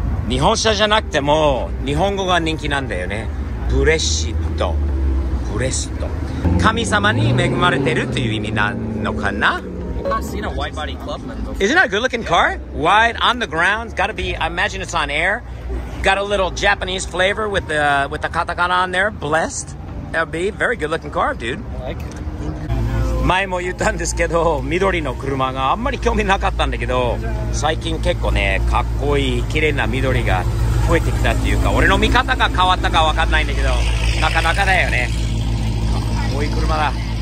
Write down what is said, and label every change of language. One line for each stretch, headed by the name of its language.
Japanese: 日本車じゃなくても日本語が人気なんだよね。ブレシッド、ブレスト、神様に恵まれてるという意味なのかな。
English: Isn't that a good looking car? Wide on the ground, gotta be, I imagine it's on air. Got a little Japanese flavor with the katakana on there, blessed. That'd be a very good looking car, dude. I like it.
Japanese: 前も言ったんですけど、緑の車があんまり興味なかったんだけど、最近結構ね、かっこいい、綺麗な緑が増えてきたっていうか、俺の見方が変わったかわかんないんだけど、なかなかだよね。かっこいい車だ。